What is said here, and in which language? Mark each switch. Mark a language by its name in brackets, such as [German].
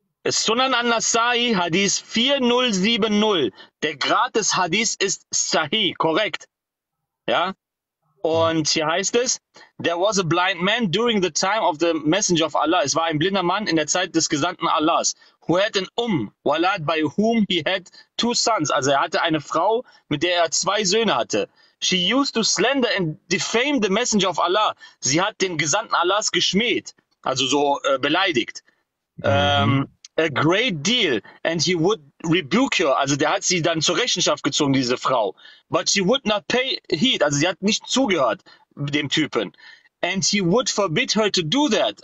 [English] Sunan an-Nasai, Hadith 4070. [German] Der Grad des Hadith ist Sahih, korrekt. Ja? Und hier heißt es, [English] there was a blind man during the time of the Messenger of Allah. [German] Es war ein blinder Mann in der Zeit des Gesandten Allahs. [English] Who had an walad, by whom he had two sons. [German] Also er hatte eine Frau, mit der er zwei Söhne hatte. [English] She used to slander and defame the Messenger of Allah. [German] Sie hat den Gesandten Allahs geschmäht, also so beleidigt. [English] A great deal, and he would rebuke her. [German] Also der hat sie dann zur Rechenschaft gezogen, diese Frau. [English] But she would not pay heed. [German] Also sie hat nicht zugehört dem Typen. [English] And he would forbid her to do that.